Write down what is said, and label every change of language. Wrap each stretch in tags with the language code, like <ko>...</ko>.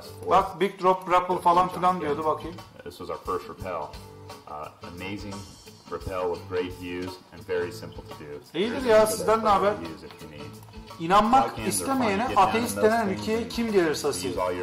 <tr>Bak Big Drop Rappel falan filan diyordu bakayım.</tr> <en>This was our first rappel. Amazing rappel with great views and very simple to do.</en> <tr>İyidir ya sizden ne haber? İnanmak istemeyene ateist denen ülkeye kim gelir sasayım?</tr>